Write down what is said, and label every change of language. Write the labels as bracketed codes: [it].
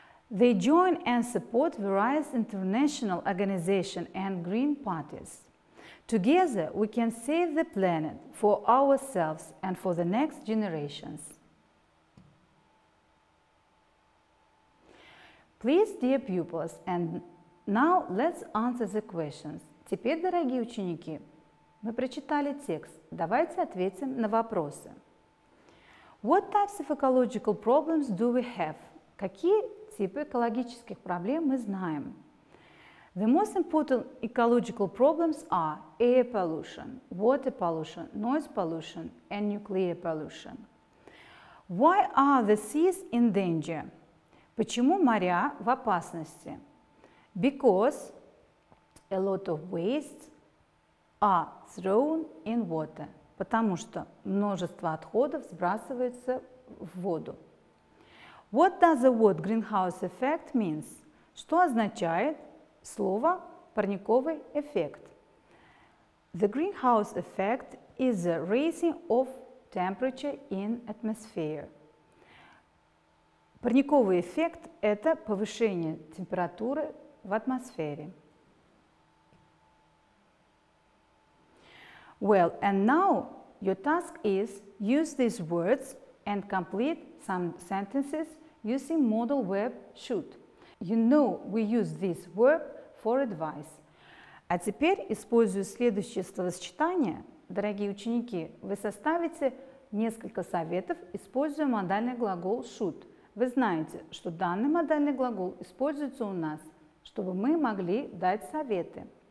[en] They join and support various international organizations and green parties. Together, we can save the planet for ourselves and for the next generations. Please, dear pupils, and now let's answer the questions. [ru] Теперь, дорогие ученики, мы прочитали текст. Давайте ответим на вопросы. [en] What types of ecological problems do we have? [ru] Какие типы экологических проблем мы знаем? [en] The most important ecological problems are air pollution, water pollution, noise pollution, and nuclear pollution. Why are the seas in danger? [ru] Почему моря в опасности? [en] Because a lot of waste are thrown in water. [ru] Потому что множество отходов сбрасывается в воду. [en] What does the word greenhouse effect means? [ru] Что означает слово парниковый эффект? [en] The greenhouse effect is the raising of temperature in atmosphere. [ru] Парниковый эффект – это повышение температуры в атмосфере. [en] Well, and now your task is use these words and complete some sentences using model verb should. You know we use this verb for advice. [ru] А теперь, используя следующее словосочетание, дорогие ученики, вы составите несколько советов, используя модальный глагол should. Вы знаете, что данный модальный глагол используется у нас, чтобы мы могли дать советы.